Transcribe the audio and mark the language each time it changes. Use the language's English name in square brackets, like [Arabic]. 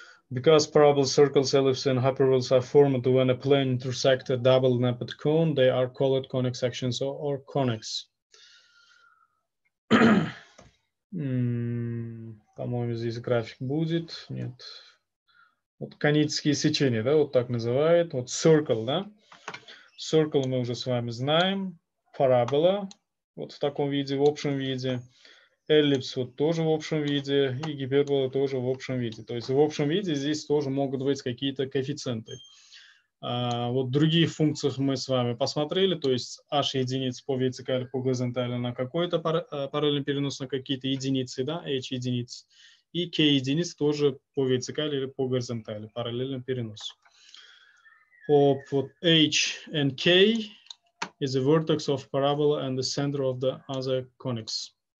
[English] Because parabolic circles, ellipses, and hyperboles are formed when a plane intersects a double napped cone, they are called conic sections or conics. [Russian] По-моему, здесь график будет. Нет. Вот конические сечения, да, вот так называют. Вот circle, да. Circle мы уже с вами знаем. Парабола вот в таком виде, в общем виде. Эллипс вот тоже в общем виде, и гипербола тоже в общем виде. То есть в общем виде здесь тоже могут быть какие-то коэффициенты. Вот в других функциях мы с вами посмотрели, то есть h единиц по вертикали, по горизонтали на какой-то параллельный перенос на какие-то единицы, да, h единиц, и k единиц тоже по вертикали или по горизонтали, параллельный перенос. Вот [English] h and k is the vertex of parabola and the center of the other conics.